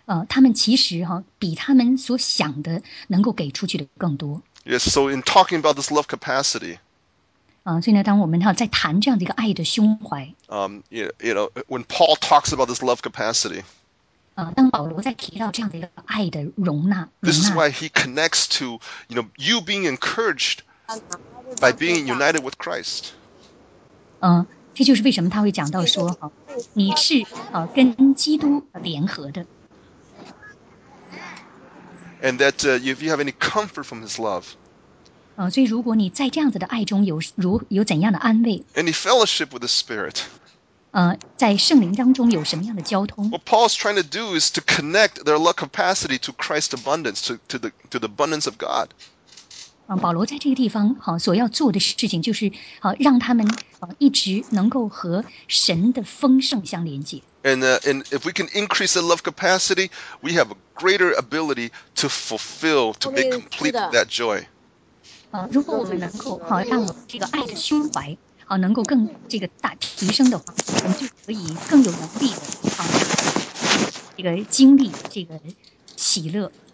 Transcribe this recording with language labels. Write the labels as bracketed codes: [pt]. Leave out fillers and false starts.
[zh] 他们其实比他们所想的能够给出去的更多。 [en] Yes, so in talking about this love capacity. [zh] 所以呢，当我们在谈这样的一个爱的胸怀。 [en] When Paul talks about this love capacity. [zh] 当保罗在提到这样的一个爱的容纳。 [en] This is why he connects to, you know, you being encouraged by being united with Christ. [zh] 这就是为什么他会讲到说，你是跟基督联合的。 [en] And that if you have any comfort from his love. [zh] 所以如果你在这样子的爱中有怎样的安慰。 [en] Any fellowship with the Spirit. [zh] 在圣灵当中有什么样的交通 [en] ？What Paul's trying to do is to connect their love capacity to Christ's abundance, to the abundance of God. [zh] 保罗在这个地方所要做的事情就是让他们一直能够和神的丰盛相连接。 [en] And if we can increase the love capacity, we have a greater ability to fulfill, to be complete that joy. [zh] 如果我们能够让我们这个爱的胸怀。能够更这个大提升的话，我们就可以更有能力的这个经历这个喜乐。